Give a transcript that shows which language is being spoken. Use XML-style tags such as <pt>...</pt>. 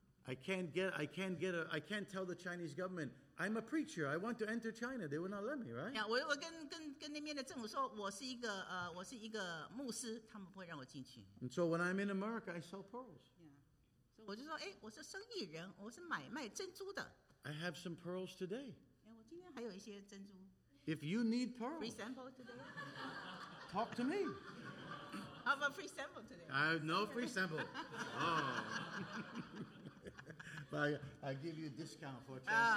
<en>I can't tell the Chinese government I'm a preacher. I want to enter China. They will not let me, right?</en> <zh>呀，我跟那边的政府说，我是一个牧师，他们不会让我进去。</zh> <en>And so when I'm in America, I sell pearls.</en> <zh>我就说，哎，我是生意人，我是买卖珍珠的。</zh> <en>I have some pearls today.</en> <zh>我今天还有一些珍珠。</zh> <en>If you need pearls, free sample today. Talk to me. How about free sample today? I have no free sample. Oh. But I give you a discount for a chance.</en>